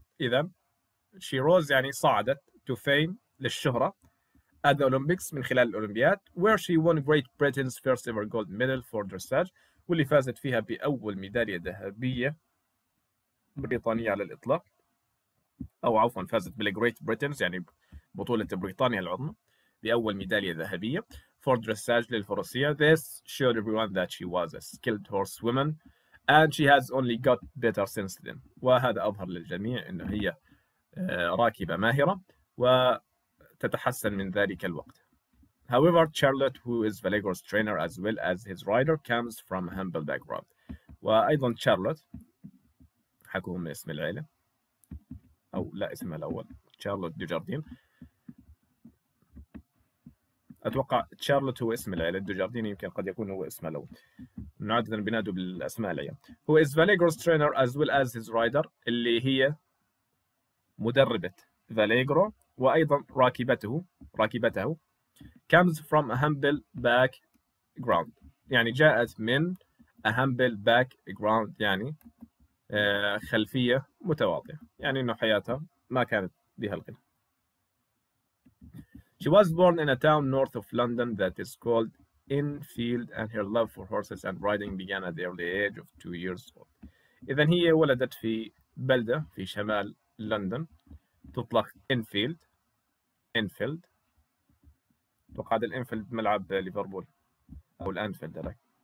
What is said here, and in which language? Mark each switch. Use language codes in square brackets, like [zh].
[ar] إذا [en] she rose [ar] يعني صعدت [en] to fame [ar] للشهرة [en] at the Olympics [ar] من خلال الأولمبياد، [en] where she won Great Britain's first ever gold medal for dressage، [ar] واللي فازت فيها بأول ميدالية ذهبية بريطانية على الإطلاق، أو عفوا فازت بال Great Britain's يعني بطولة بريطانيا العظمى بأول ميدالية ذهبية [en] for dressage [ar] للفروسية. [en] This showed everyone that she was a skilled horsewoman. And she has only got better since then. [ar] وهذا أظهر للجميع إنه هي راكبة ماهرة وتتحسن من ذلك الوقت. [en] However, Charlotte, who is Vallegro's trainer as well as his rider, comes from a humble background. [ar] وأيضا تشارلوت، حكوهم اسم العيلة أو لا اسمها الأول، تشارلوت دوجاردين. أتوقع تشارلوت هو اسم العيلة، دوجاردين يمكن قد يكون هو اسمها الأول. عادة بنادوا بالأسماء العيال. [en] هو is Vallegro's trainer as well as his rider، [ar] اللي هي مدربة Vallegro وأيضا راكبته. [en] comes from a humble background، [ar] يعني جاءت من [en] a humble background، [ar] يعني خلفية متواضعة، يعني إنه حياتها ما كانت بها الغنى. [en] She was born in a town north of London that is called Enfield and her love for horses and riding began at the early age of 2 years old. [ar] إذن هي ولدت في بلدة في شمال لندن تطلق Enfield. Enfield وقعد الانفيلد ملعب ليفربول أو الانفيلد درك.